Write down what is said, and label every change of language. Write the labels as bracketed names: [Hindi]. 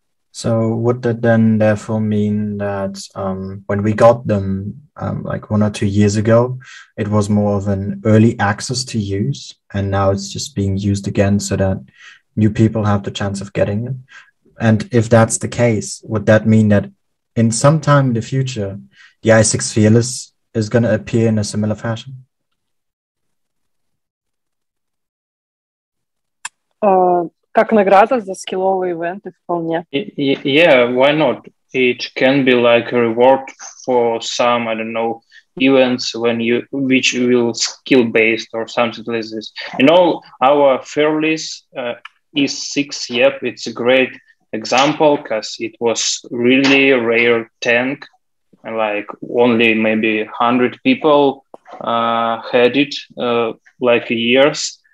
[English] So would that then therefore mean that when we got them like 1 or 2 years ago, it was more of an early access to use, and now it's just being used again so that new people have the chance of getting it? And if that's the case, would that mean that in some time in the future, the I6 Fearless is going to appear in a similar fashion? [Russian] Как награда за скилловые ивенты вполне. [English] Yeah, why not? It can be like a reward for some, I don't know, events which will skill based or something like this. You know, our Fearless E6, yep, it's a great example because it was really a rare tank, and like only maybe 100 people had it like years.